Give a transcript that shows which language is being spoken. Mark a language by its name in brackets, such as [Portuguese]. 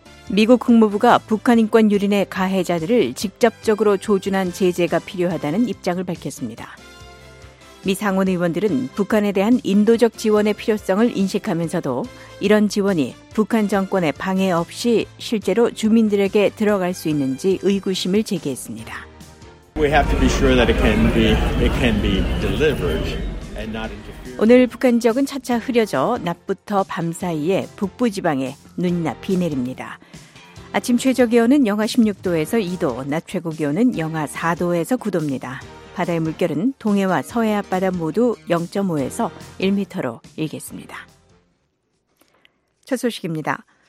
[Korean] 미국 국무부가 북한 인권 유린의 가해자들을 직접적으로 조준한 제재가 필요하다는 입장을 밝혔습니다. 미 상원 의원들은 북한에 대한 인도적 지원의 필요성을 인식하면서도 이런 지원이 북한 정권의 방해 없이 실제로 주민들에게 들어갈 수 있는지 의구심을 제기했습니다. [English] We have to be sure that it can be delivered and not interfere. [Korean] 오늘 북한 지역은 차차 흐려져 낮부터 밤 사이에 북부 지방에 눈이나 비 내립니다. 아침 최저 기온은 영하 16도에서 2도, 낮 최고 기온은 영하 4도에서 9도입니다. 바다의 물결은 동해와 서해 앞바다 모두 0.5에서 1m로 일겠습니다. 첫 소식입니다.